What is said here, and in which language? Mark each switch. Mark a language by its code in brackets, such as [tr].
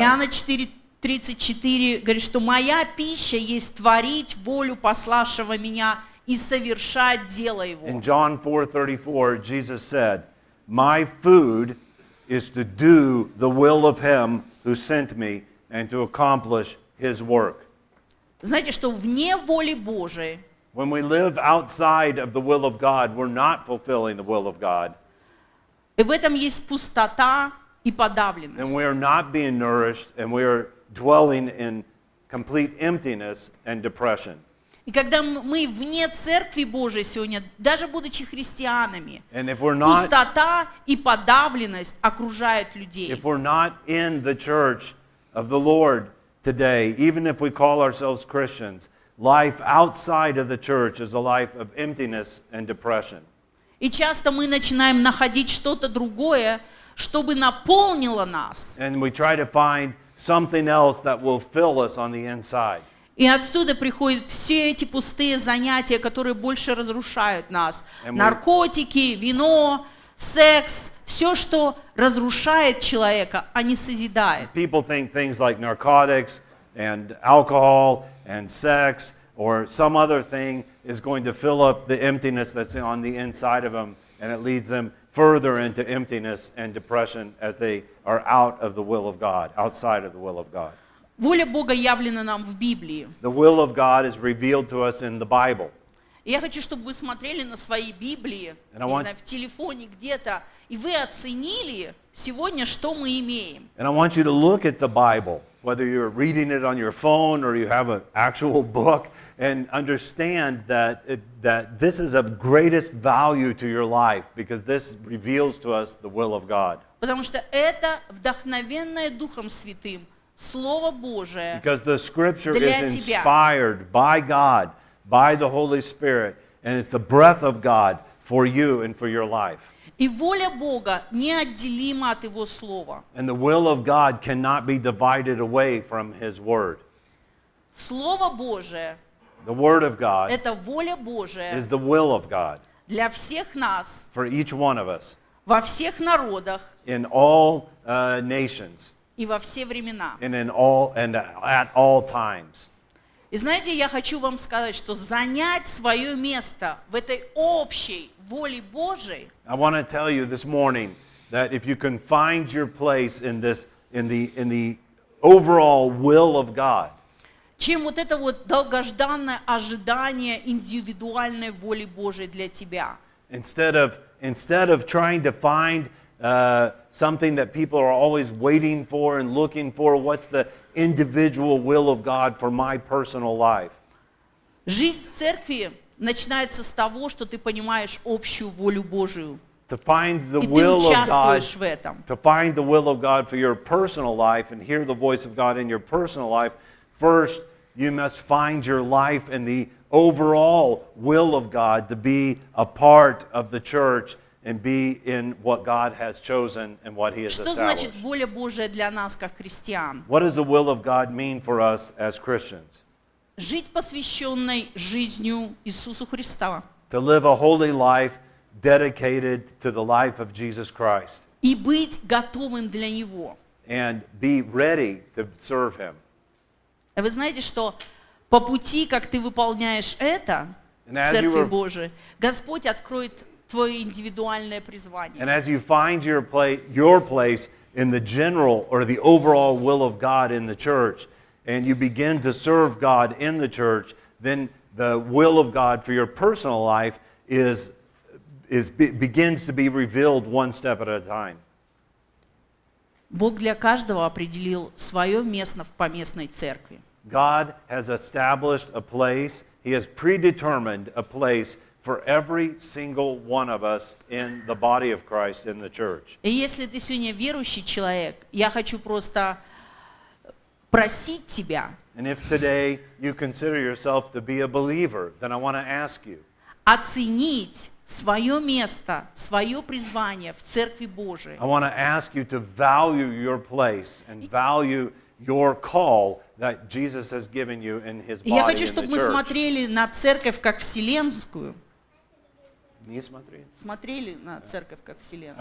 [ru] Иоанна 4:34 говорит, что моя пища есть творить волю пославшего меня и совершать дело его. [en] In John 4:34, Jesus said, "My food is to do the will of him who sent me and to accomplish his work." [ru] Знаете, что вне воли Божией? [en] When we live outside of the will of God, we're not fulfilling the will of God. [ru] И в этом есть пустота и подавленность. [en] And we are not being nourished, and we are dwelling in complete emptiness and depression. [ru] И когда мы вне церкви Божией сегодня, даже будучи христианами, [en] not, [ru] пустота и подавленность окружают людей. [en] If we're not in the church of the Lord today, even if we call ourselves Christians, life outside of the church is a life of emptiness and depression. [ru] И часто мы начинаем находить что-то другое, чтобы наполнило нас. [en] And we try to find something else that will fill us on the inside. [ru] И отсюда приходят все эти пустые занятия, которые больше разрушают нас. Наркотики, вино, секс, все, что разрушает человека, а не созидает. [en] People think things like narcotics and alcohol and sex or some other thing is going to fill up the emptiness that's on the inside of them, and it leads them further into emptiness and depression as they are out of the will of God, outside of the will of God. [ru] Воля Бога явлена нам в Библии. [en] The will of God is revealed to us in the Bible. [ru] Я хочу, чтобы вы смотрели на свои Библии, не знаю, в телефоне где-то, и вы оценили сегодня, что мы имеем. [en] And I want you to look at the Bible, whether you're reading it on your phone or you have an actual book, and understand that that this is of greatest value to your life, because this reveals to us the will of God. [ru] Потому что это вдохновенное Духом Святым Слово Божие. [en] Because the scripture is inspired by God, by the Holy Spirit, and it's the breath of God for you and for your life. [ru] И воля Бога неотделима от Его Слова. [en] And the will of God cannot be divided away from His Word. [ru] Слово Божие, [en] the Word of God, [ru] это воля Божия, [en] is the will of God [ru] для всех нас, [en] for each one of us, [ru] во всех народах, [en] in all nations, [ru] и во все времена. [en] And in all, and at all times. [ru] И знаете, я хочу вам сказать, что занять свое место в этой общей воле Божией. [en] I want to tell you this morning that if you can find your place in this, in the overall will of God. [ru] Чем вот это вот долгожданное ожидание индивидуальной воли Божией для тебя. [en] Instead of trying to find something that people are always waiting for and looking for, what's the individual will of God for my personal life? [ru] Жизнь в церкви начинается с того, что ты понимаешь общую волю Божию. [en] To find the will of God, to find the will of God for your personal life and hear the voice of God in your personal life, first you must find your life in the overall will of God to be a part of the church and be in what God has chosen and what he has established. [ru] Что значит воля Божия для нас, как христиан? [en] What does the will of God mean for us as Christians? [ru] жить посвященной жизнью Иисусу Христа. [en] To live a holy life dedicated to the life of Jesus Christ. [ru] И быть готовым для Него. [en] And be ready to serve Him. [ru] А вы знаете, что по пути, как ты выполняешь это в Церкви Божией, Господь откроет твое индивидуальное призвание. [en] And as you find your place in the general or the overall will of God in the church, and you begin to serve God in the church, then the will of God for your personal life begins to be revealed one step at a time. [ru] Бог для каждого определил свое место в поместной церкви. [en] God has established a place, He has predetermined a place for every single one of us in the body of Christ, in the church. [ru] И если ты сегодня верующий человек, я хочу просто просить тебя. [en] And if today you consider yourself to be a believer, then I want to ask you. [ru] Оценить свое место, свое призвание в Церкви Божией. [en] I want to ask you to value your place and value your call that Jesus has given you in His body. [ru] Я хочу, чтобы мы смотрели на церковь как вселенскую. Не смотрели. Смотрели на церковь как вселенную.